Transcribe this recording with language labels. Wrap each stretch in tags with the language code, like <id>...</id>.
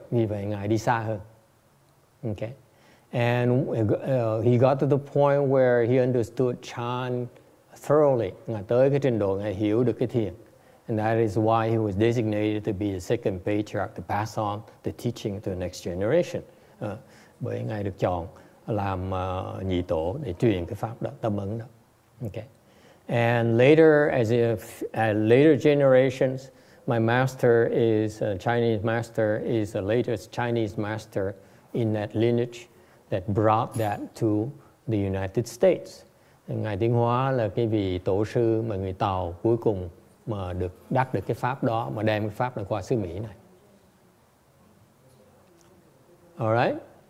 <vi>Vì vậy ngài đi xa hơn.</vi> <en>Okay. And he got to the point where he understood Chan thoroughly.</en> <vi>Ngài tới cái trình độ ngài hiểu được cái thiền.</vi> <en>And that is why he was designated to be the second patriarch to pass on the teaching to the next generation.</en> <vi>Bởi ngài được chọn làm nhị tổ để truyền cái pháp đó, tâm ấn đó. Okay.</vi> <en>And later, as if at later generations, my master is a Chinese master, is the latest Chinese master in that lineage that brought that to the United States.</en> <vi>Ngài Tiến Hóa là cái vị tổ sư mà người Tàu cuối cùng mà được đắc được cái pháp đó, mà đem cái pháp này qua xứ Mỹ này.</vi> <en>All right?</en>